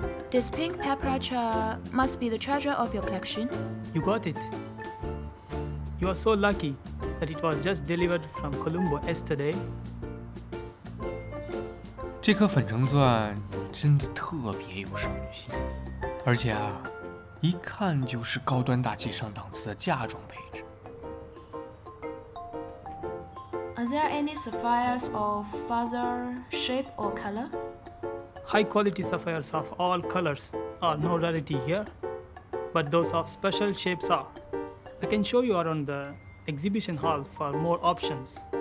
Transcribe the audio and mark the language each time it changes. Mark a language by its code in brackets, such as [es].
[en] This pink paparazzi must be the treasure of your collection. You got it. You are so lucky. that it was just delivered from Colombo yesterday. [zh] 这颗粉橙钻真的特别有少女心，而且啊，一看就是高端大气上档次的嫁妆配置。 [en] Are there any sapphires of other shape or color? High quality sapphires of all colors are no rarity here, but those of special shapes are. I can show you around the exhibition hall for more options.